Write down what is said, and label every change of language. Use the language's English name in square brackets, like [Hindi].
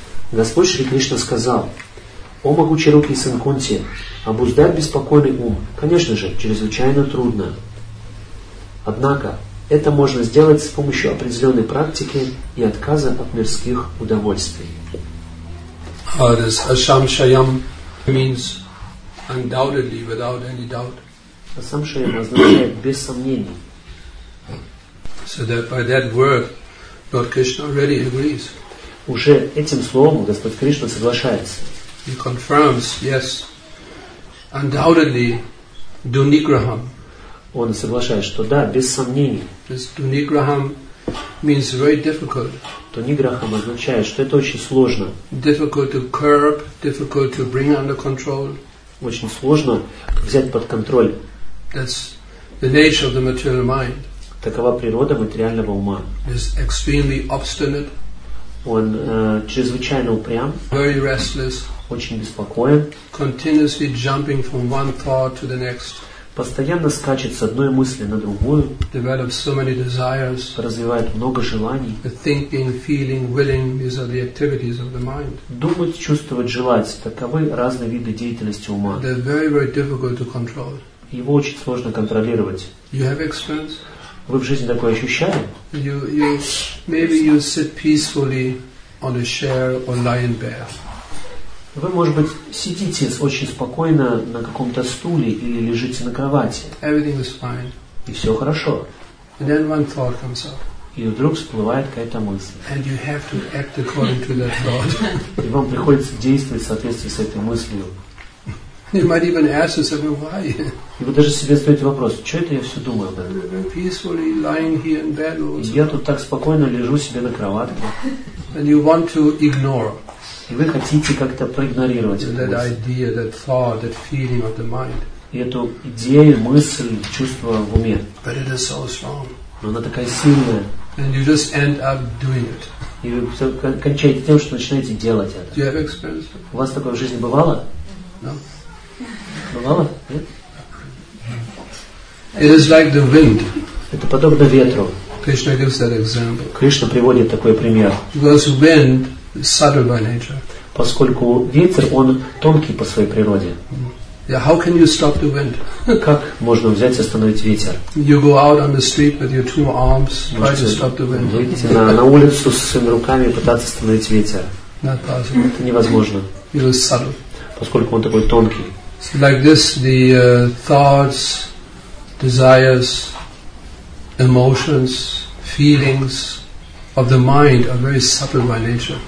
[Russian] Господь Шри Кришна сказал: «О могучий руки сын Кунти, обуздать беспокойный ум, конечно же, чрезвычайно трудно. Однако, это можно сделать с помощью определенной практики и отказа от мирских удовольствий». [English] This Asamshayam means undoubtedly, without any doubt. [Russian] Asamshayam означает «без сомнений». [English] So that by that word, Lord Krishna already agrees. [Russian] Уже этим словом Господь Кришна соглашается. [English] He confirms, yes, undoubtedly, dunigraham. [Russian] Он соглашает, что да, без сомнений. [English] This dunigraham means very difficult. [Russian] Dunigraham означает, что это очень сложно. [English] Difficult to curb, difficult to bring under control. [Russian] Очень сложно взять под контроль. [English] That's the nature of the material mind. [Russian] Такова природа материального ума. [English] It's extremely obstinate. [Russian] Он чрезвычайно упрям. [English] Very restless. [Russian] Очень беспокоен. [English] Continuously jumping from one thought to the next. [Russian] постоянно скачет с одной мысли на другую, [English] develops so many desires, [Russian] развивает много желаний, [English] the thinking, feeling, willing, these are the activities of the mind. [Russian] Думать, чувствовать, желать — таковы разные виды деятельности ума. [English] They're very, very difficult to control. [Russian] Его очень сложно контролировать. [English] You have experience? [Russian] Вы в жизни такое ощущали? [English] You maybe you sit peacefully on a chair or lying bare. [Russian] Вы, может быть, сидите очень спокойно на каком-то стуле или лежите на кровати. [English] Everything is fine. [Russian] И все хорошо. [English] And then one thought comes up. [Russian] И вдруг всплывает какая-то мысль. [English] And you have to act according to that thought. [Russian] И вам приходится действовать в соответствии с этой мыслью. [English] You might even ask yourself, why? [Russian] И вы даже себе задаете вопрос, что это я все думаю об этом? [English] Peacefully lying here in bed also. [Russian] И я тут так спокойно лежу себе на кроватке. [English] And you want to ignore. [Russian] И вы хотите как-то проигнорировать эту мысль. [English] Idea, that thought, that feeling of the mind. [Russian] И эту идею, мысль, чувство в уме. [English] But it is so strong. [Russian] Но она такая сильная. [English] And you just end up doing it. [Russian] И вы все кончаете тем, что начинаете делать это. [English] Do you have experience? [Russian] У вас такое в жизни бывало? [English] No. [Russian] Бывало? [English] It is like the wind. [Russian] Это подобно ветру. [English] Krishna gives that example. [Russian] Кришна приводит такой пример. [English] Because wind is subtle by nature. [Russian] Поскольку ветер, он тонкий по своей природе. [English] Yeah, how can you stop the wind? [Russian] Как можно взять и остановить ветер? [English] You go out on the street with your two arms, try to stop the wind. [Russian] Выйти на улицу с своими руками и пытаться остановить ветер. [English] Not possible. [Russian] Это невозможно. [English] It is subtle. [Russian] Поскольку он такой тонкий. [English] So like this, the thoughts, desires, emotions, feelings of the mind are very subtle by nature.